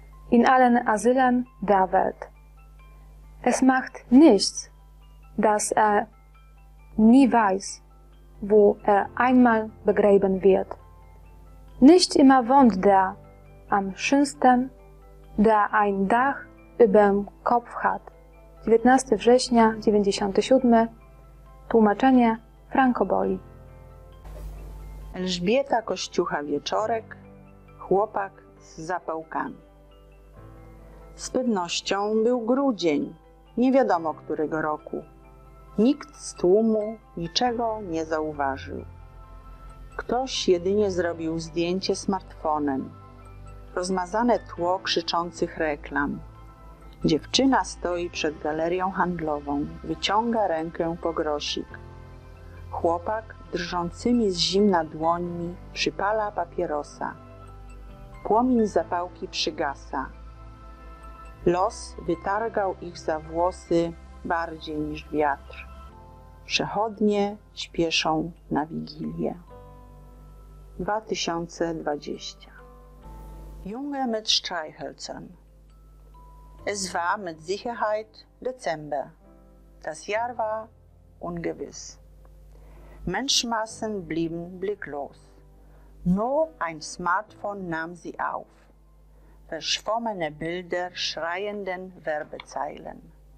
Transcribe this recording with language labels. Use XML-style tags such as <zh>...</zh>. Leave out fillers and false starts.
<de>In allen Asylen der Welt. Es macht nichts, dass nie weiß, wo einmal begraben wird. Nicht immer wohnt am schönsten, ein Dach über dem Kopf hat.</de> <pl>19 września 97. Tłumaczenie Franco Boli. Elżbieta Kościucha Wieczorek, chłopak z zapałkami. Z pewnością był grudzień, nie wiadomo którego roku. Nikt z tłumu niczego nie zauważył. Ktoś jedynie zrobił zdjęcie smartfonem. Rozmazane tło krzyczących reklam. Dziewczyna stoi przed galerią handlową, wyciąga rękę po grosik. Chłopak drżącymi z zimna dłońmi przypala papierosa. Płomień zapałki przygasa. Los wytargał ich za włosy bardziej niż wiatr. Przechodnie śpieszą na Wigilię. 2020.</pl> <de>Junge mit Streichhölzern. Es war mit Sicherheit Dezember. Das Jahr war ungewiss. Menschenmassen blieben blicklos. Nur ein Smartphone nahm sie auf. Verschwommene Bilder schreienden Werbezeilen.</de>